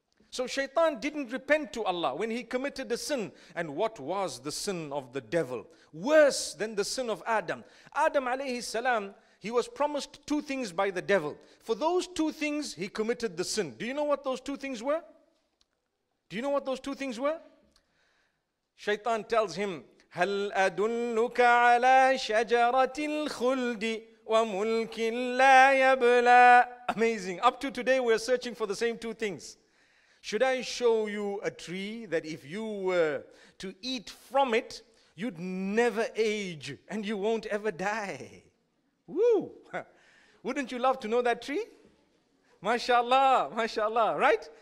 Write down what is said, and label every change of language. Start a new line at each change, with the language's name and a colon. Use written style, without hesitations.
English: So shaitan didn't repent to Allah when he committed a sin. And what was the sin of the devil? Worse than the sin of Adam. Adam alayhi salam, he was promised two things by the devil. For those two things, he committed the sin. Do you know what those two things were? Do you know what those two things were? Shaitan tells him,
Arabic: هَلْ أَدُلُّكَ عَلَىٰ شَجَرَةِ الْخُلْدِ وَمُلْكٍ لَا يَبْلَىٰ.
English: Amazing. Up to today, we're searching for the same two things. Should I show you a tree that if you were to eat from it, you'd never age and you won't ever die? Woo! Wouldn't you love to know that tree? MashaAllah, MashaAllah, right?